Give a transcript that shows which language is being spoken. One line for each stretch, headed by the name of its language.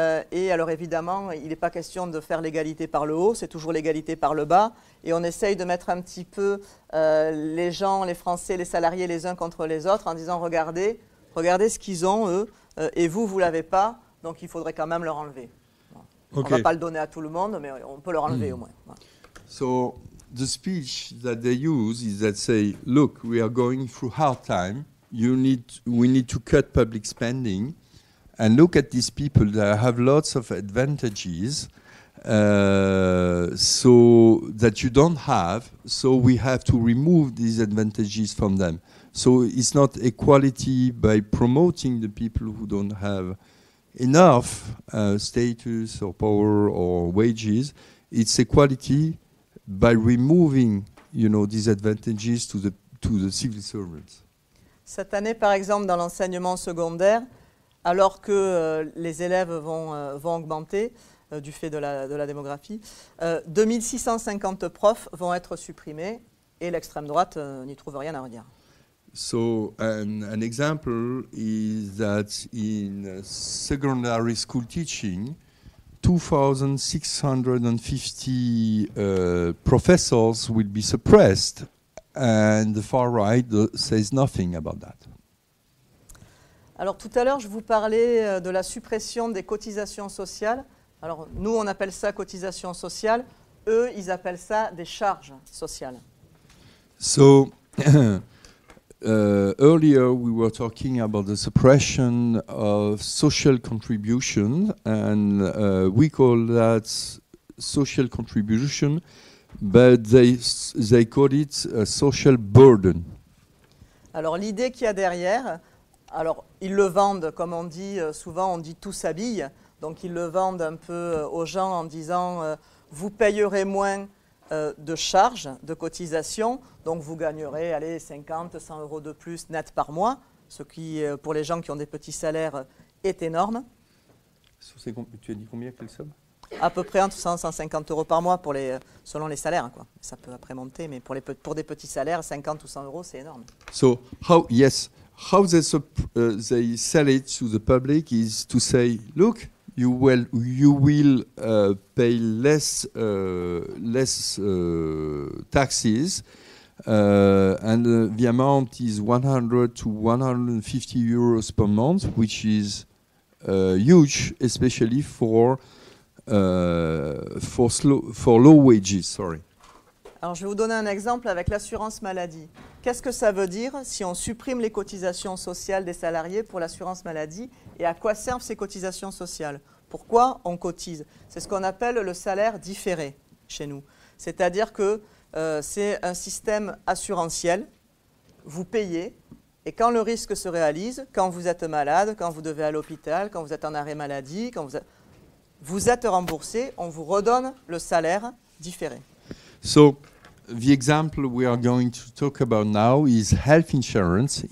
French: Et alors évidemment, il n'est pas question de faire l'égalité par le haut, c'est toujours l'égalité par le bas. Et on essaye de mettre un petit peu les gens, les Français, les salariés les uns contre les autres en disant, regardez, regardez ce qu'ils ont, eux, et vous, vous ne l'avez pas, donc il faudrait quand même leur enlever. Okay. On ne va pas le donner à tout le monde, mais on peut leur enlever au moins. Voilà.
English: So the speech that they use is that say, look, we are going through hard time. We need to cut public spending. And look at these people that have lots of advantages so that you don't have. So we have to remove these advantages from them. So it's not equality by promoting the people who don't have enough status or power or wages. It's equality by removing, you know, disadvantages to the civil servants.
French: Cette année, par exemple, dans l'enseignement secondaire, alors que les élèves vont augmenter du fait de la démographie, 2650 profs vont être supprimés et l'extrême droite n'y trouve rien à redire.
English: So an example is that in secondary school teaching, 2,650 professors will be suppressed, and the far right says nothing about that.
French: Alors tout à l'heure, je vous parlais de la suppression des cotisations sociales. Alors nous, on appelle ça cotisations sociales. Eux, ils appellent ça des charges sociales.
English: So earlier, we were talking about the suppression of social contribution, and we call that social contribution, but they call it a social burden.
French: Alors, l'idée qu'il y a derrière, alors, ils le vendent, comme on dit souvent, on dit tout s'habille, donc ils le vendent un peu aux gens en disant, vous payerez moins de charges, de cotisations, donc vous gagnerez, allez, 50, 100 euros de plus net par mois, ce qui, pour les gens qui ont des petits salaires, est énorme. Tu as dit combien, quelle somme ? À peu près entre 100 et 150 euros par mois, selon les salaires, quoi. Ça peut après monter, mais pour des petits salaires, 50 ou 100 euros, c'est énorme.
English: So, how, yes, how they sell it to the public is to say, look, You will pay less taxes, and the amount is 100 to 150 euros per month, which is huge, especially for low wages.
French: Alors, je vais vous donner un exemple avec l'assurance maladie. Qu'est-ce que ça veut dire si on supprime les cotisations sociales des salariés pour l'assurance maladie et à quoi servent ces cotisations sociales? Pourquoi on cotise? C'est ce qu'on appelle le salaire différé chez nous. C'est-à-dire que c'est un système assurantiel, vous payez, et quand le risque se réalise, quand vous êtes malade, quand vous devez à l'hôpital, quand vous êtes en arrêt maladie, quand vous êtes remboursé, on vous redonne le salaire différé.
English: So, the example we are going to talk about now is health insurance.